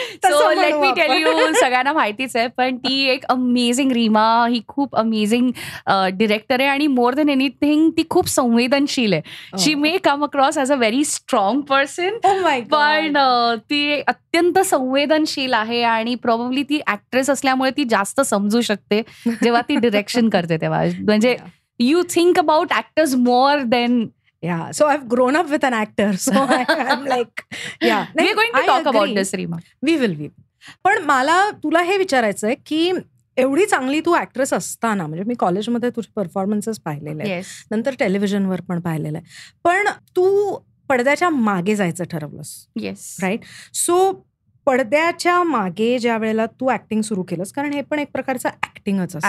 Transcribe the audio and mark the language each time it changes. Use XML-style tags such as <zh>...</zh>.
<en>so let me tell you,</en> <mr>सगळ्यांना माहितीच आहे पण ती एक अमेझिंग रीमा, ही खूप अमेझिंग डिरेक्टर आहे आणि</mr> <en>more than anything</en> <mr>ती खूप संवेदनशील आहे.</mr> <en>she may come across as a very strong person</en> <mr>पण ती अत्यंत संवेदनशील आहे आणि प्रॉबब्ली ती ऍक्ट्रेस असल्यामुळे ती जास्त समजू शकते जेव्हा ती डिरेक्शन करते तेव्हा. म्हणजे</mr> <en>you think about actors more than yeah, so I've grown up with an actor, so I'm like yeah. Now, we're going to talk about this, Reema. We will</en> <mr>पण मला तुला हे विचारायचंय की एवढी चांगली तू ऍक्ट्रेस असताना, म्हणजे मी कॉलेजमध्ये तुझे परफॉर्मन्सेस पाहिलेले आहेत, नंतर टेलिव्हिजनवर पण पाहिलेलं आहे, पण तू पडद्याच्या मागे जायचं ठरवलंस.</mr> <en>Yes right.</en> <mr>सो पडद्याच्या मागे ज्या वेळेला तू ऍक्टिंग सुरू केलंस, कारण हे पण एक प्रकारचं ऍक्टिंगच असतं.</mr>